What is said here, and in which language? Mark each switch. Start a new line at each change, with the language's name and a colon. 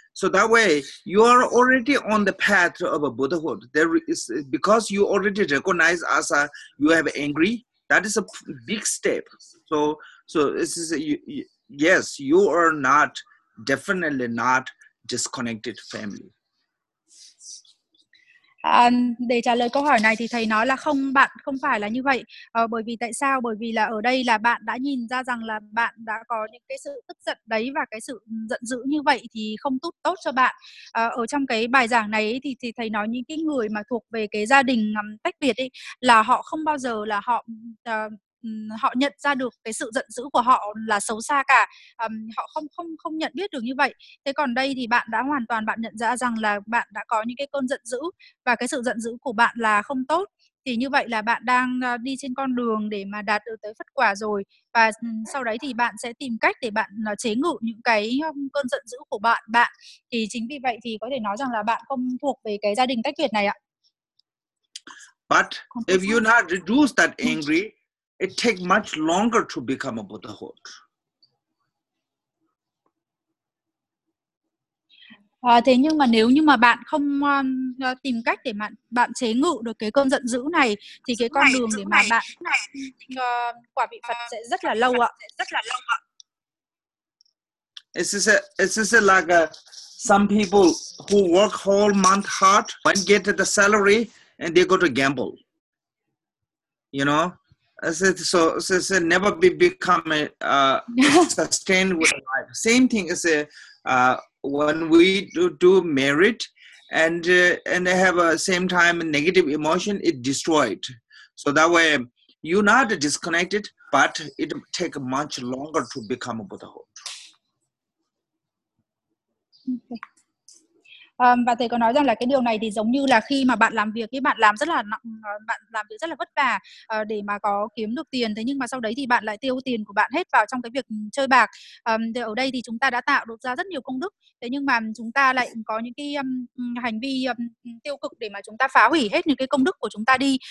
English: So that way you are already on the path of a Buddhahood. There is, because you already recognize as you have angry, that is a big step. So this is yes, you are not, definitely not disconnected family.
Vietnamese: Để trả lời câu hỏi này thì thầy nói là không, bạn không phải là như vậy. Bởi vì tại sao? Bởi vì là ở đây là bạn đã nhìn ra rằng là bạn đã có những cái sự tức giận đấy, và cái sự giận dữ như vậy thì không tốt cho bạn. Ở trong cái bài giảng này thì thầy nói những cái người mà thuộc về cái gia đình tách biệt ấy, là họ không bao giờ là họ nhận ra được cái sự giận dữ của họ là xấu xa cả. Họ không nhận biết được như vậy. Thế còn đây thì bạn đã hoàn toàn bạn nhận ra rằng là bạn đã có những cái cơn giận dữ, và cái sự giận dữ của bạn là không tốt. Thì như vậy là bạn đang đi trên con đường để mà đạt được tới Phật quả rồi. Và sau đấy thì bạn sẽ tìm cách để bạn chế ngự những cái cơn giận dữ của bạn. Bạn thì chính vì vậy thì có thể nói rằng là bạn không thuộc về cái gia đình tách biệt này ạ.
English: But if you not reduce that angry, it take much longer to become a Buddhahood.
Vietnamese: Thế nhưng mà nếu như mà bạn không tìm cách để bạn chế ngự được cái cơn giận dữ này thì cái con đường để mà bạn quả vị Phật sẽ rất là lâu ạ.
English: It's like some people who work whole month hard when get the salary and they go to gamble. You know? So never be become sustained with life. Same thing is when we do merit and they have a same time negative emotion, it destroyed. So that way you not disconnected, but it take much longer to become a Buddhahood. Okay.
Vietnamese: Và thầy có nói rằng là cái điều này thì giống như là khi mà bạn làm việc thì bạn làm rất là nặng, bạn làm việc rất là vất vả để mà có kiếm được tiền, thế nhưng mà sau đấy thì bạn lại tiêu tiền của bạn hết vào trong cái việc chơi bạc. Thì ở đây thì chúng ta đã tạo được ra rất nhiều công đức, thế nhưng mà chúng ta lại có những cái hành vi tiêu cực để mà chúng ta phá hủy hết những cái công đức của chúng ta đi.